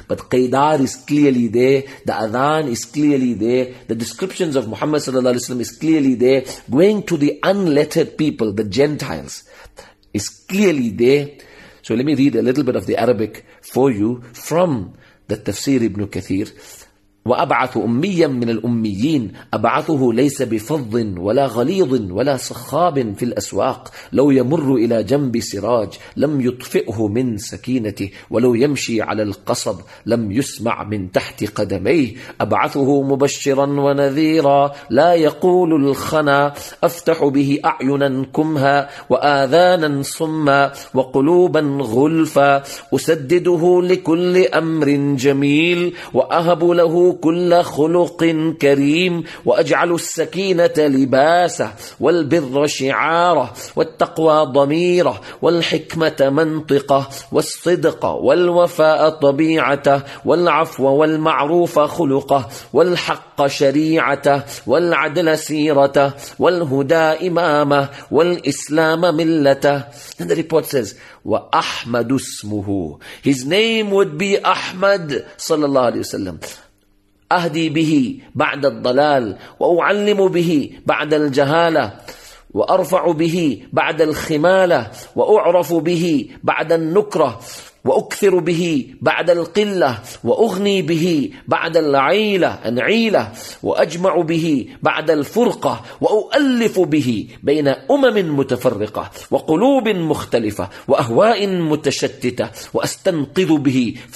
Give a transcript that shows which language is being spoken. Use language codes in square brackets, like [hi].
[en] But Qaidar is clearly there. The adhan is clearly there. The descriptions of Muhammad sallallahu alayhi wa sallam is clearly there. Going to the unlettered people, the Gentiles, is clearly there. So let me read a little bit of the Arabic for you from the Tafsir ibn Kathir. [ar] وأبعث أميا من الأميين أبعثه ليس بفض ولا غليظ ولا صخاب في الأسواق، لو يمر إلى جنب سراج لم يطفئه من سكينته، ولو يمشي على القصب لم يسمع من تحت قدميه، أبعثه مبشرا ونذيرا لا يقول الخنا، أفتح به أعينا كمها وآذانا صما وقلوبا غلفا، أسدده لكل أمر جميل وأهب له كل خلق كريم، وأجعل السكينة لباسه والبر شعاره والتقوى ضميره والحكمة منطقه والصدق والوفاء طبيعته والعفو والمعروف خلقه والحق شريعته والعدل سيرته والهدى إمامه والإسلام ملته. [en] And the report says [ar] وأحمد اسمه. [en] His name would be أحمد صلى الله عليه وسلم. [ar] أهدي به بعد الضلال، وأعلم به بعد الجهالة، وأرفع به بعد الخمالة، وأعرف به بعد النكرة، وأكثر به بعد القلة، وأغني به بعد العيلة أنعيلة، وأجمع به بعد الفرقة، وأؤلف به بين أمم متفرقة وقلوب مختلفة وأهواء متشتتة، وأستنقذ به